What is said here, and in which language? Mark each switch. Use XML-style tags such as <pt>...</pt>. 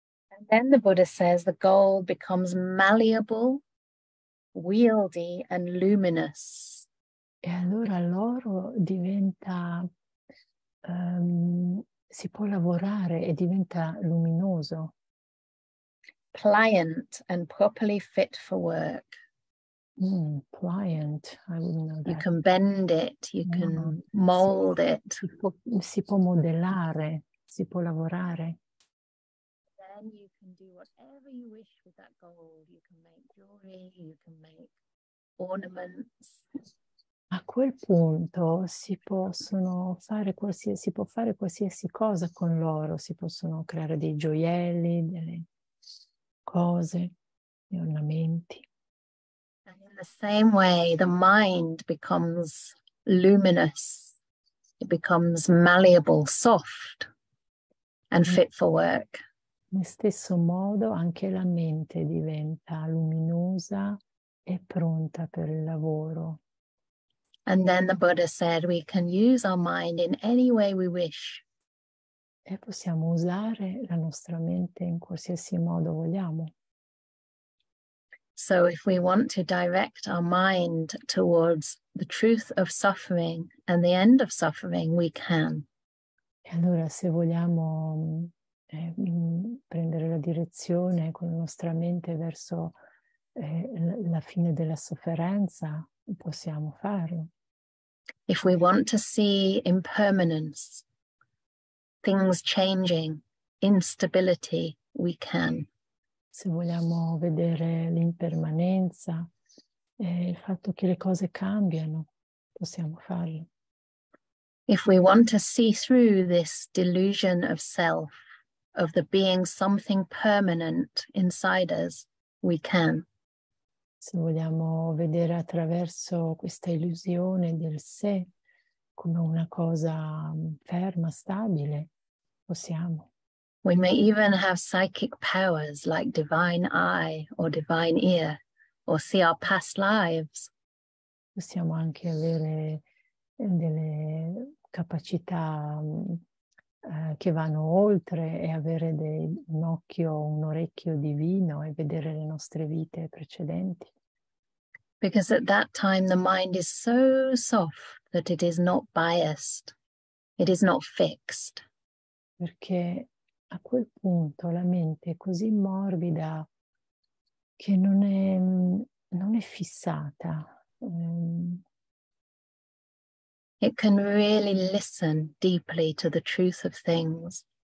<en>And then the Buddha says the gold becomes malleable, wieldy and luminous.</en> <it>E allora l'oro diventa, si può lavorare e diventa luminoso.</it> <en>Pliant and properly fit for work. Pliant, I wouldn't know that. You can bend it, you can mold it.</en> <it>Si può modellare, si può lavorare.</it> <en>Then you can do whatever you wish with that gold. You can make jewelry, you can make ornaments.</en> <it>A quel punto si può fare qualsiasi cosa con l'oro. Si possono creare dei gioielli, delle cose, gli ornamenti.</it> <en>And in the same way, the mind becomes luminous. It becomes malleable, soft, and fit for work.</en> <it>Nel stesso modo, anche la mente diventa luminosa e pronta per il lavoro.</it> <en>And then the Buddha said we can use our mind in any way we wish.</en> <it>E possiamo usare la nostra mente in qualsiasi modo vogliamo.</it> <en>So if we want to direct our mind towards the truth of suffering and the end of suffering, we can.</en> <it>E allora se vogliamo prendere la direzione con la nostra mente verso la fine della sofferenza, possiamo farlo.</it> <en>If we want to see impermanence, things changing, instability, we can.</en> <it>Se vogliamo vedere l'impermanenza, il fatto che le cose cambiano, possiamo farlo.</it> <en>If we want to see through this delusion of self, of the being something permanent inside us, we can.</en> <it>Se vogliamo vedere attraverso questa illusione del sé come una cosa ferma, stabile, possiamo.</it> <en>We may even have psychic powers like divine eye or divine ear, or see our past lives.</en> <it>Possiamo anche avere delle capacità che vanno oltre e avere un occhio, un orecchio divino e vedere le nostre vite precedenti.</it> <en>Because at that time the mind is so soft that it is not biased, it is not fixed.</en> <it>Perché a quel punto la mente è così morbida che non è fissata.</it> <en>It can really listen deeply to the truth of things.</en>